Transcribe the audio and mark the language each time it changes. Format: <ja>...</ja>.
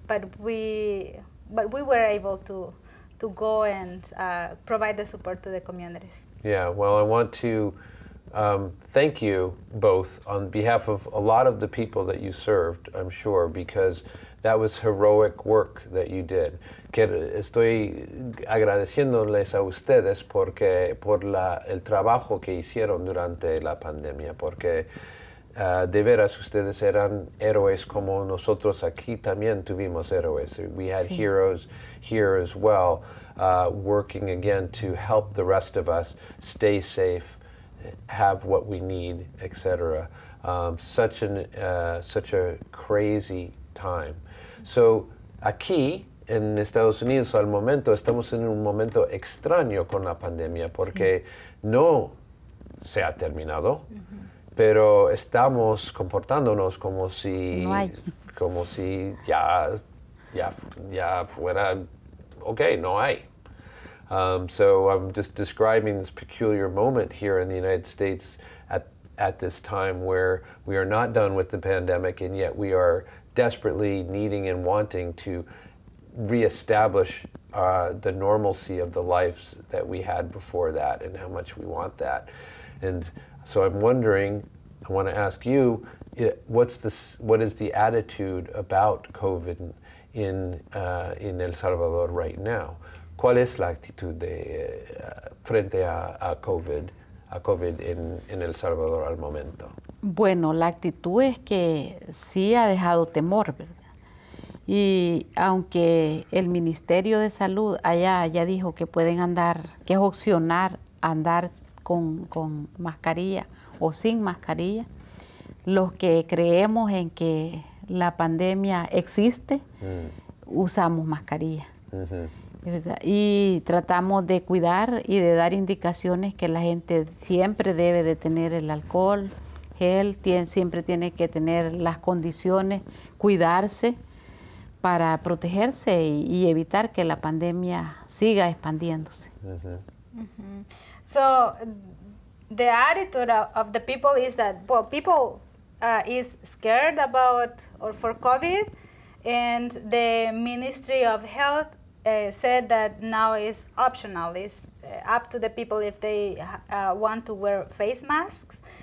<en>But we were able to go and provide the support to the communities. Yeah, well, I want to thank you both on behalf of a lot of the people that you served, I'm sure, because that was heroic work that you did.</en> <es>Estoy agradeciéndoles a ustedes porque por el trabajo que hicieron durante la pandemia, porque de veras, ustedes eran héroes como nosotros aquí también tuvimos héroes.</es> <en>We had heroes here as well, working again to help the rest of us stay safe, have what we need, etc. Such a crazy time.</en> <es>So aquí en Estados Unidos al momento estamos en un momento extraño con la pandemia porque no se ha terminado. Pero estamos comportándonos como si ya fuera okay, no hay.</es> <en>So I'm just describing this peculiar moment here in the United States at this time where we are not done with the pandemic and yet we are desperately needing and wanting to reestablish the normalcy of the lives that we had before that and how much we want that. And so I'm wondering, I want to ask you, what is the attitude about COVID in El Salvador right now?</en> <es>¿Cuál es la actitud de frente a COVID en El Salvador al momento? Bueno, la actitud es que sí ha dejado temor, ¿verdad? Y aunque el Ministerio de Salud allá ya dijo que pueden andar, que es opcional andar con mascarilla o sin mascarilla, los que creemos en que la pandemia existe, usamos mascarilla. ¿Verdad? Y tratamos de cuidar y de dar indicaciones que la gente siempre debe de tener el alcohol, gel, siempre tiene que tener las condiciones, cuidarse para protegerse y evitar que la pandemia siga expandiéndose.</es> <en>So the attitude of the people is that, well, people is scared about or for COVID, and the Ministry of Health said that now is optional. It's up to the people if they want to wear face masks.</en>